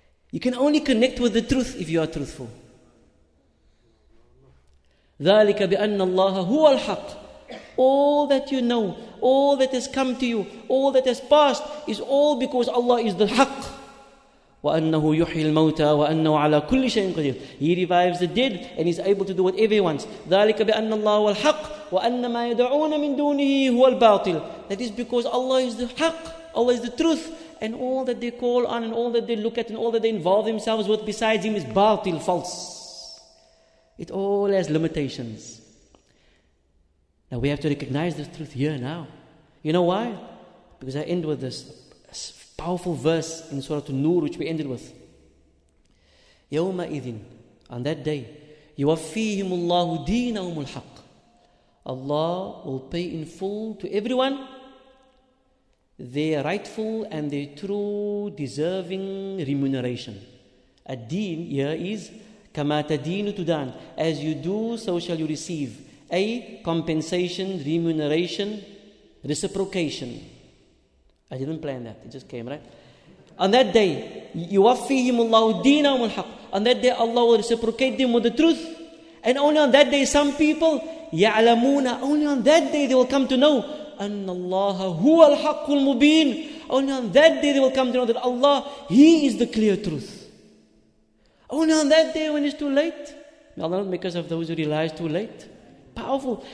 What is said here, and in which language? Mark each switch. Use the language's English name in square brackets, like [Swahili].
[English] You can only connect with the truth if you are truthful. [Arabic] ذلك بأن الله هو الحق. [English] All that you know, all that has come to you, all that has passed, is all because Allah is the حق. [Arabic] وأنه يحيي الموتى وأنه على كل شيء قدير. [English] He revives the dead and he's able to do whatever he wants. [Arabic] ذلك بأن الله هو الحق وأن ما يدعون من دونه هو الباطل. [English] That is because Allah is the حق. Allah is the truth, and all that they call on, and all that they look at, and all that they involve themselves with besides him is باطل, false. It all has limitations. Now we have to recognize this truth here now. You know why? Because I end with this powerful verse in Surah An-Nur, which we ended with. [Arabic] يَوْمَ إِذٍ, [English] on that day, [Arabic] يُوَفِّيهِمُ اللَّهُ دِينَهُمُ الْحَقِّ. [English] Allah will pay in full to everyone their rightful and their true deserving remuneration. A deen here is [Arabic] كَمَا تَدِينُ تُدَانُ. [English] As you do, so shall you receive. A, compensation, remuneration, reciprocation. I didn't plan that. It just came, right? On that day, [Arabic] يُوَفِّيهِمُ اللَّهُ دِينَهُمُ الْحَقِّ. [English] On that day, Allah will reciprocate them with the truth. And only on that day, some people, يَعْلَمُونَ. Only on that day, they will come to know [Arabic] أَنَّ اللَّهَ هُوَ الْحَقُّ الْمُبِينُ. [English] Only on that day, they will come to know that Allah, He is the clear truth. Only on that day when it's too late. May Allah not make us of those who realize too late. Powerful.